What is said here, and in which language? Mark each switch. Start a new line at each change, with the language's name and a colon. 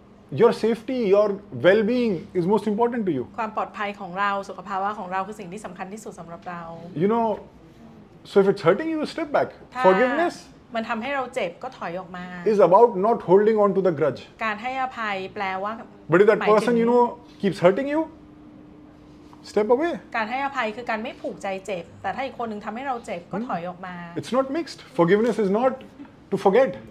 English: Your safety, your well-being is most important to you.
Thai: ความปลอดภัยของเราสุขภาวะของเราคือสิ่งที่สำคัญที่สุดสำหรับเรา
English: You know, so if it's hurting you, step back. Forgiveness.
Thai: มันทำให้เราเจ็บก็ถอยออกมา
English: Is about not holding on to the grudge.
Thai: การให้อภัยแปลว่า
English: But if that person, you know, keeps hurting you, step away.
Thai: การให้อภัยคือการไม่ผูกใจเจ็บแต่ถ้าอีกคนนึงทำให้เราเจ็บก็ถอยออกมา
English: It's not mixed. Forgiveness is not to forget.